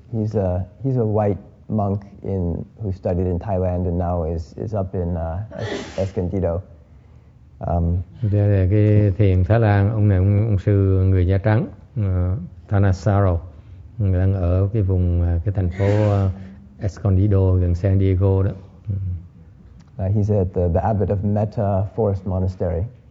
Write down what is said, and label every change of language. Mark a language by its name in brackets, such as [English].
[English] He's a white monk who studied in Thailand and now is up in Escondido. [Vietnamese] Đây là cái thiền Thái Lan, ông này ông sư người da trắng, Thanissaro, đang ở cái vùng cái thành phố Escondido gần San Diego đó. [English] He's at the abbot of Metta Forest Monastery.